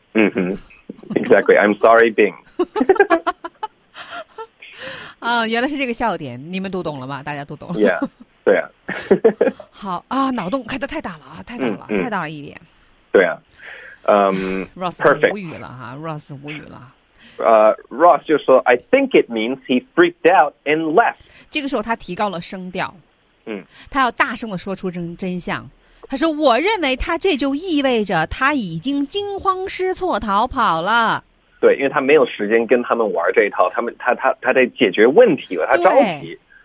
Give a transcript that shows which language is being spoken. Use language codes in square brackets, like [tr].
[en] 嗯哼，Exactly. I'm sorry, Bing. [zh] 啊，原来是这个笑点，你们读懂了吗？大家都懂了。 Yeah. 对啊。好啊，脑洞开得太大了啊，太大了，太大了一点。对啊。 Ross 无语了哈 ，Ross 无语了。 [en] Ross [zh] 就说 [en] I think it means he freaked out and left. [zh] 这个时候他提高了声调，嗯，他要大声地说出真相。他说我认为他这就意味着他已经惊慌失措逃跑了。对，因为他没有时间跟他们玩这一套，他得解决问题了，他着急。